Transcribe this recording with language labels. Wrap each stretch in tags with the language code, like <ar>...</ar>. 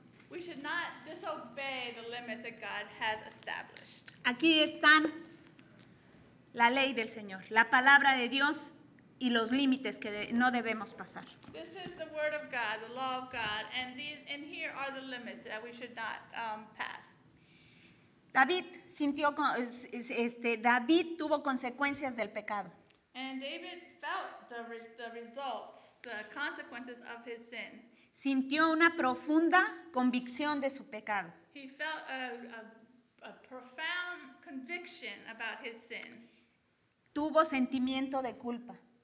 <en>We should not disobey the limits that God has established.</en> <es>Aquí están la ley del Señor, la palabra de Dios. Y los límites que no debemos pasar.</es> <en>This is the word of God, the law of God, and these and here are the limits that we should not pass.</en> <es>David sintió David tuvo consecuencias del pecado.</es> <en>And David felt the results, the consequences of his sin.</en> <es>Sintió una profunda convicción de su pecado.</es> <en>He felt a profound conviction about his sin.</en> <es>Tuvo sentimiento de culpa.</es>